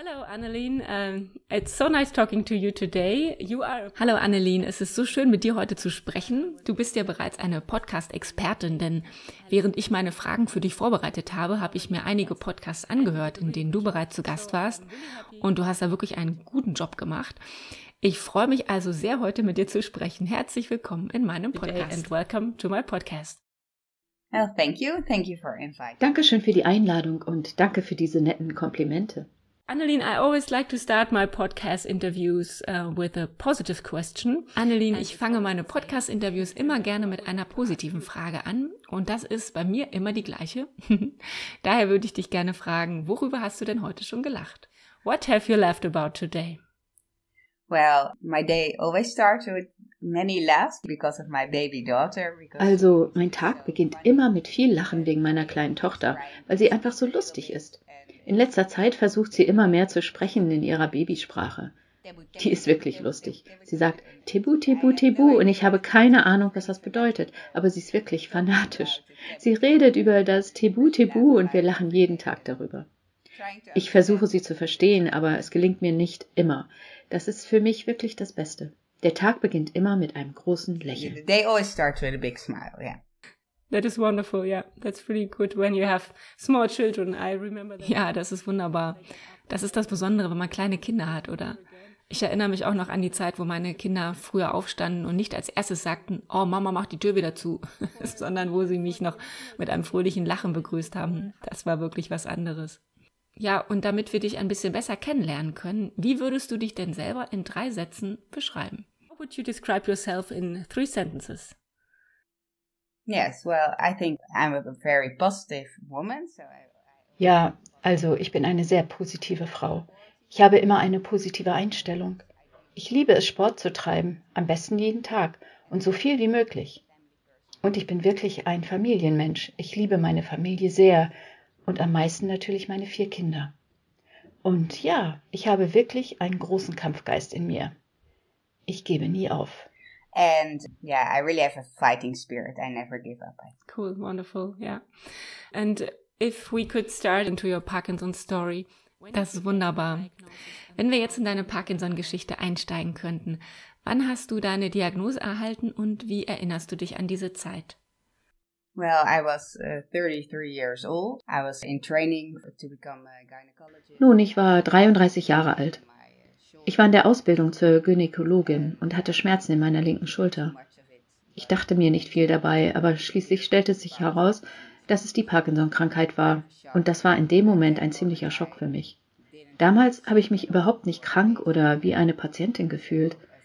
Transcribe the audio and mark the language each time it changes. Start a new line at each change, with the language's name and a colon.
English: Annelien, it's so nice talking to you today.
German: Hallo Annelien, es ist so schön, mit dir heute zu sprechen. Du bist ja bereits eine Podcast-Expertin, denn während ich meine Fragen für dich vorbereitet habe, habe ich mir einige Podcasts angehört, in denen du bereits zu Gast warst und du hast da wirklich einen guten Job gemacht. Ich freue mich also sehr, heute mit dir zu sprechen. Herzlich willkommen in meinem Podcast.
English: And welcome to my podcast. Well, thank you for inviting.
German: Dankeschön für die Einladung und danke für diese netten Komplimente.
English: Annelien, I always like to start my podcast interviews with a positive question.
German: Annelien, ich fange meine podcast interviews immer gerne mit einer positiven Frage an und das ist bei mir immer die gleiche. Daher würde ich dich gerne fragen, worüber hast du denn heute schon gelacht?
English: What have you laughed about today? Well, my day always starts with many laughs because of my baby daughter.
German: Also, mein Tag beginnt immer mit viel Lachen wegen meiner kleinen Tochter, weil sie einfach so lustig ist. In letzter Zeit versucht sie immer mehr zu sprechen in ihrer Babysprache. Die ist wirklich lustig. Sie sagt Tebu, Tebu, Tebu und ich habe keine Ahnung, was das bedeutet, aber sie ist wirklich fanatisch. Sie redet über das Tebu, Tebu und wir lachen jeden Tag darüber. Ich versuche sie zu verstehen, aber es gelingt mir nicht immer. Das ist für mich wirklich das Beste. Der Tag beginnt immer mit einem großen Lächeln.
English: They always start with a big smile, yeah. That is wonderful, yeah. That's pretty good when you have small children. I remember that.
German: Ja, das ist wunderbar. Das ist das Besondere, wenn man kleine Kinder hat, oder? Ich erinnere mich auch noch an die Zeit, wo meine Kinder früher aufstanden und nicht als erstes sagten, oh, Mama, mach die Tür wieder zu, sondern wo sie mich noch mit einem fröhlichen Lachen begrüßt haben. Das war wirklich was anderes. Ja, und damit wir dich ein bisschen besser kennenlernen können, wie würdest du dich denn selber in 3 Sätzen beschreiben?
English: How would you describe yourself in 3 sentences? Yes, well, I think I'm a very positive woman.
German: Ja, also ich bin eine sehr positive Frau. Ich habe immer eine positive Einstellung. Ich liebe es, Sport zu treiben, am besten jeden Tag und so viel wie möglich. Und ich bin wirklich ein Familienmensch. Ich liebe meine Familie sehr und am meisten natürlich meine 4 Kinder. Und ja, ich habe wirklich einen großen Kampfgeist in mir. Ich gebe nie auf.
English: And yeah, I really have a fighting spirit. I never give up. Cool, wonderful, yeah. And if we could start into your Parkinson story.
German: Das ist wunderbar. Wenn wir jetzt in deine Parkinson-Geschichte einsteigen könnten, wann hast du deine Diagnose erhalten und wie erinnerst du dich an diese Zeit?
English: Well, I was 33 years old. I was in training to become a gynecologist.
German: Nun, ich war 33 Jahre alt. Ich war in der Ausbildung zur Gynäkologin und hatte Schmerzen in meiner linken Schulter. Ich dachte mir nicht viel dabei, aber schließlich stellte sich heraus, dass es die Parkinson-Krankheit war. Und das war in dem Moment ein ziemlicher Schock für mich. Damals habe ich mich überhaupt nicht krank oder wie eine Patientin gefühlt.